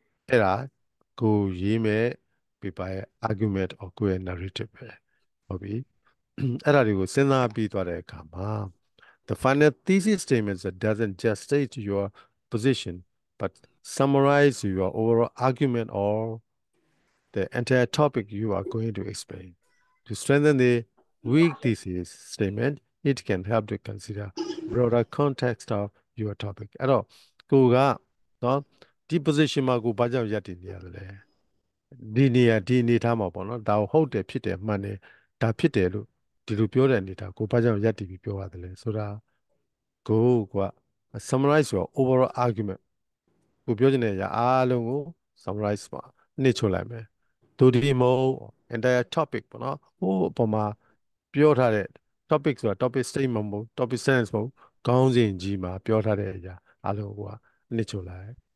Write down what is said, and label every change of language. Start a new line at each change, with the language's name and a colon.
Burmese: အဲ့ဒါကိုရေးမဲ့ paper ရဲ့ argument or ကိုယ့်ရဲ့ narrative ပဲဟုတ်ပြီအဲ့ဒါတွေကိုစဉ်းစားပြီးသွားတဲ့အခါမှာ
English: the final thesis statement doesn't just state your position but summarize your overall argument or the entire topic you are going to explain. To strengthen the weak thesis statement, it can help to consider broader context of your topic.
Burmese: အဲ့တော့ကိုကเนาะဒီ position မှာကိုဘာကြောင့်ရပ်တည်နေရလဲ? ဒီနေရာဒီအနေအထားမှာပေါ့နော်။ဒါဟုတ်တယ်ဖြစ်တယ်မှန်တယ်ဒါဖြစ်တယ်လို့ဒီလိုပြောတဲ့အနေအထားကိုဘာကြောင့်ရပ်တည်ပြီးပြောရတယ်လဲဆိုတာကိုက
English: summarize your overall argument
Burmese: ကိုပြောချင်တဲ့အရာအားလုံးကို summarize ပါအနည်းချွတ်လိုက်မယ်ဒုတိယမို့ entire topic ပေါ့နော်ဟိုအပေါ်မှာပြောထားတဲ့ topic ဆိုတာ topic statement မို့ topic sentence မို့ခေါင်းစဉ်ကြီးမှာပြောထားတဲ့အရာအားလုံးကအနည်းချွတ်လိုက်